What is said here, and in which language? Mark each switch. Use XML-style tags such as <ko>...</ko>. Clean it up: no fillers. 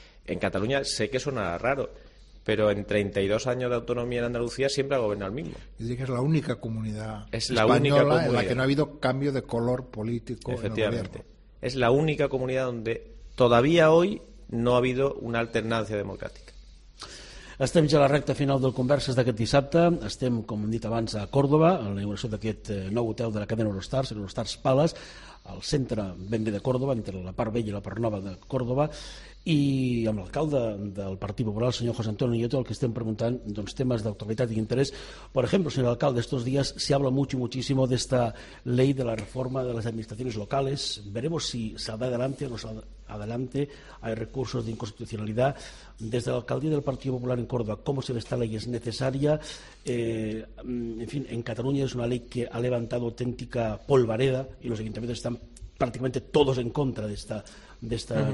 <es>En Cataluña sé que suena raro, pero en 32 años de autonomía en Andalucía siempre ha gobernado el mismo. Es decir, que es la única comunidad española en la que no ha habido cambio de color político en el gobierno. Efectivamente. Es la única comunidad donde todavía hoy no ha habido una alternancia democrática.</es> <ca>Estem ja a la recta final del Converses d'aquest dissabte. Estem, com hem dit abans, a Còrdoba, a la inauguració d'aquest nou hotel de la cadena Eurostars, Eurostars Palace, al centre ben bé de Còrdoba, entre la part vella i la part nova de Còrdoba, i amb l'alcalde del Partit Popular, el senyor José Antonio Nieto, el que estem preguntant, doncs, temes d'actualitat i interès. Per exemple, senyor alcalde,</ca> <es>estos dies se habla mucho, muchísimo de esta ley de la reforma de las administraciones locales. Veremos si saldrá adelante o no saldrá adelante. Hay recursos de inconstitucionalidad. Desde la alcaldía del Partido Popular en Córdoba, ¿cómo se ve esta ley? ¿Es necesaria? En fin, en Cataluña es una ley que ha levantado auténtica polvareda y los ayuntamientos están prácticamente todos en contra de esta uh-huh.</es>